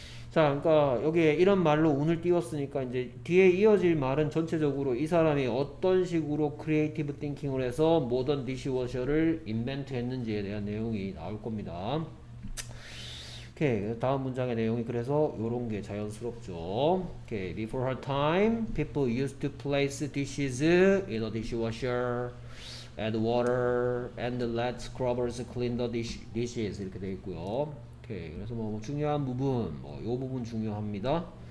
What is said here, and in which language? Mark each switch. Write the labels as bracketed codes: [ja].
[ko] 자, 그러니까 여기에 이런 말로 운을 띄웠으니까 이제 뒤에 이어질 말은 전체적으로 이 사람이 어떤 식으로 크리에이티브 띵킹을 해서 모던 디시워셔를 인벤트했는지에 대한 내용이 나올 겁니다. 오케이, 다음 문장의 내용이 그래서 요런 게 자연스럽죠. [en] 오케이, before her time, people used to place dishes in a dishwasher, add water, and let scrubbers clean the dishes [ko] 이렇게 돼 있고요. 오케이, 그래서 뭐 중요한 부분, 뭐요 부분 중요합니다.